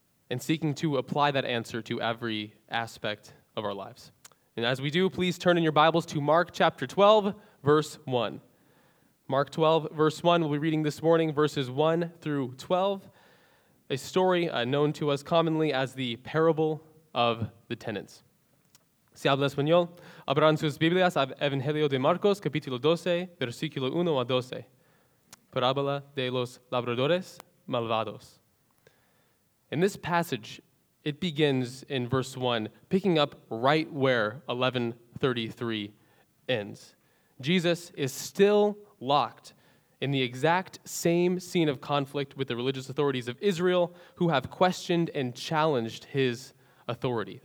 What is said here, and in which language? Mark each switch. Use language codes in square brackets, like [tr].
[en] And seeking to apply that answer to every aspect of our lives. And as we do, please turn in your Bibles to Mark chapter 12, verse 1. Mark 12, verse 1, we'll be reading this morning verses 1 through 12, a story known to us commonly as the parable of the tenants. [es] Si habla español, abran sus Biblias al Evangelio de Marcos, capítulo 12, versículo 1 a 12. Parábola de los labradores malvados. [en] In this passage, it begins in verse 1, picking up right where 11:33 ends. Jesus is still locked in the exact same scene of conflict with the religious authorities of Israel who have questioned and challenged his authority.